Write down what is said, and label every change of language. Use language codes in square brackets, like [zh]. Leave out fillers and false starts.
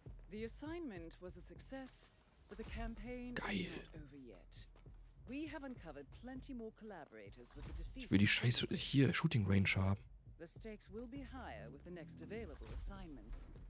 [en] The assignment was a success, but the campaign [de] geil. [en] Is not over yet. We have uncovered plenty more collaborators with the defeat. [de] Ich will die Scheiße hier Shooting Range haben. [en] The stakes will be higher with the next available assignments.